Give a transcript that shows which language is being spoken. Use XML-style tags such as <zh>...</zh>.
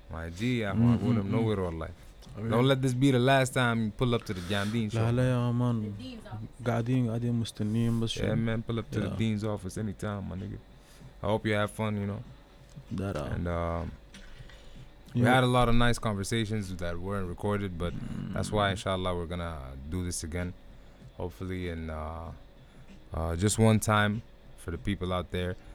<en>My G, I'm out of nowhere all life. Don't let this be the last time you pull up to the Jamdeen show.</en> <ar>لا يا مان قاعدين مستنيين بس.</ar> <en>Yeah man, pull up to the Dean's office anytime, my nigga. I hope you have fun, you know. That And we had a lot of nice conversations that weren't recorded, but that's why, inshallah, we're gonna do this again, hopefully, and just one time for the people out there.</en>